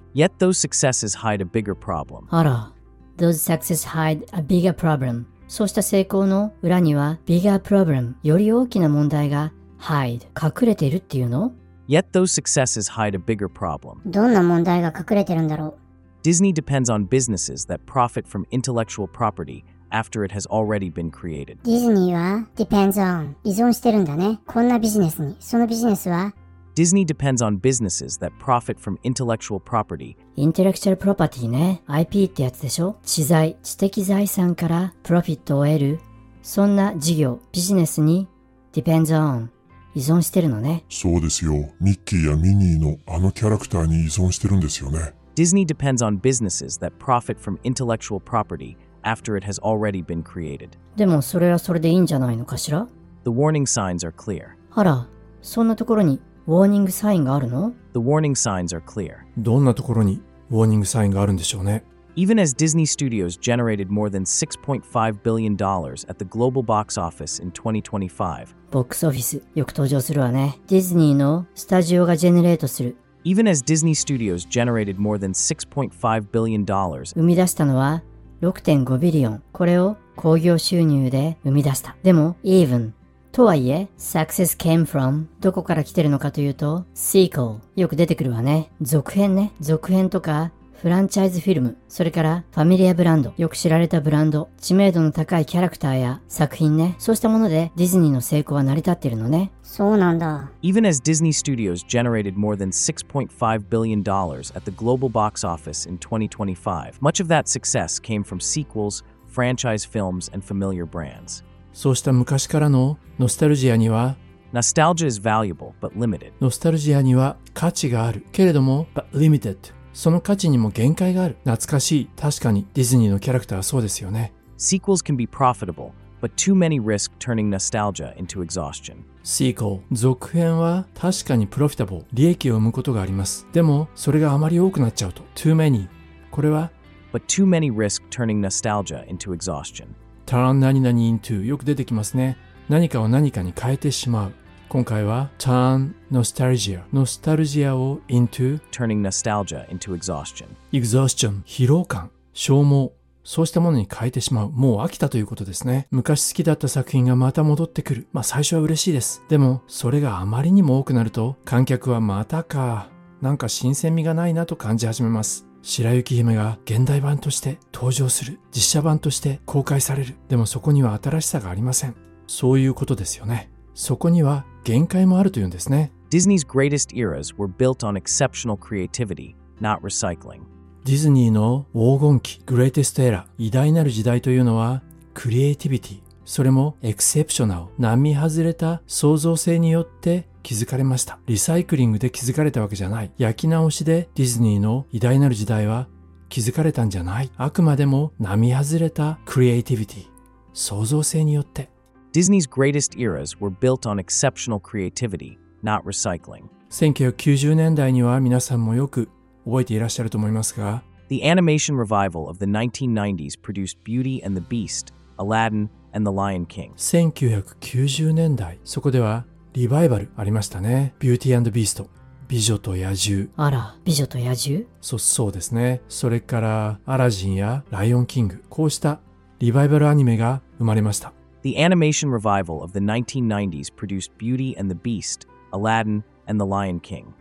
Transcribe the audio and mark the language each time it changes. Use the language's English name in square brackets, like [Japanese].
[English] Yet those successes hide a bigger problem. [Japanese] あら、 [English] Those successes hide a bigger problem. [Japanese] そうした成功の裏には bigger problem、 より大きな問題が hide、 隠れているっていうの。 [English] Yet those successes hide a bigger problem. [Japanese] どんな問題が隠れてるんだろう? [English] Disney depends on businesses that profit from intellectual property after it has already been created. [Japanese] Disney は depends on 依存してるんだね。こんなビジネスに。そのビジネスは? [English] Disney depends on businesses that profit from intellectual property. [Japanese] Intellectual property ね。IP ってやつでしょ。知財、知的財産から profit を得る。そんな事業、ビジネスに depends on。依存してるのね。そうですよ。ミッキーやミニーのあのキャラクターに依存してるんですよね。 [English] Disney depends on businesses that profit from intellectual property after it has already been created. [Japanese] でもそれはそれでいいんじゃないのかしら? [English] The warning signs are clear. [Japanese] あら、そんなところにウォーニングサインがあるの? [English] The warning signs are clear. [Japanese] どんなところにウォーニングサインがあるんでしょうね。 [English] Even as Disney Studios generated more than $6.5 billion at the global box office in 2025, [Japanese] box office よく登場するわね。ディズニーのスタジオがジェネレートする。 [English] Even as Disney Studios generated more than $6.5 billion, [Japanese] 生み出したのは 6.5 ビリオン。これを興行収入で生み出した。でも、even、とはいえ、 [English] success came from、 [Japanese] どこから来てるのかというと、sequel、よく出てくるわね。続編ね。続編とか、フランチャイズフィルム、それからファミリアブランド、よく知られたブランド、知名度の高いキャラクターや作品ね、そうしたものでディズニーの成功は成り立っているのね。そうなんだ。 [English] Even as Disney Studios generated more than $6.5 billion at the global box office in 2025, much of that success came from sequels, franchise films, and familiar brands. [Japanese] そうした昔からのノスタルジアには、 [English] Nostalgia is valuable, but limited. [Japanese] ノスタルジアには価値があるけれども、 [English] but limited. [Japanese] その価値にも限界がある。懐かしい。確かにディズニーのキャラクターはそうですよね。 [English] Sequels can be profitable, but too many risk turning nostalgia into exhaustion. [Japanese] Sequel 続編は確かにプロフィタブル、利益を生むことがあります。でもそれがあまり多くなっちゃうと。 Too many これは [English] But too many risk turning nostalgia into exhaustion. [Japanese] Turn 何々 into よく出てきますね。何かを何かに変えてしまう。今回は turn nostalgia nostalgia を into [English] turning nostalgia into exhaustion [Japanese] exhaustion 疲労感、消耗、そうしたものに変えてしまう。もう飽きたということですね。昔好きだった作品がまた戻ってくる。まあ最初は嬉しいです。でもそれがあまりにも多くなると、観客はまたか、なんか新鮮味がないなと感じ始めます。白雪姫が現代版として登場する、実写版として公開される、でもそこには新しさがありません。そういうことですよね。そこには限界もあるというんですね。 [English] Disney's greatest eras were built on exceptional creativity, not recycling. [Japanese] ディズニーの黄金期、greatest era、偉大なる時代というのは、creativity、それもエクセプショナル、並み外れた創造性によって気づかれました。リサイクリングで気づかれたわけじゃない。焼き直しでディズニーの偉大なる時代は気づかれたんじゃない。あくまでも並外れたクリエイティビティ、創造性によって。 [English] Disney's greatest eras were built on exceptional creativity, not recycling. [Japanese] 1990年代には皆さんもよく覚えていらっしゃると思いますが、 [English] The animation revival of the 1990s produced Beauty and the Beast, Aladdin, and The Lion King. [Japanese] 1990年代、そこではリバイバルありましたね。 Beauty and the Beast、美女と野獣。あら、美女と野獣？そうですね。それからアラジンやライオンキング、こうしたリバイバルアニメが生まれました。 [English] The animation revival of the 1990s produced Beauty and the Beast, Aladdin, and The Lion King.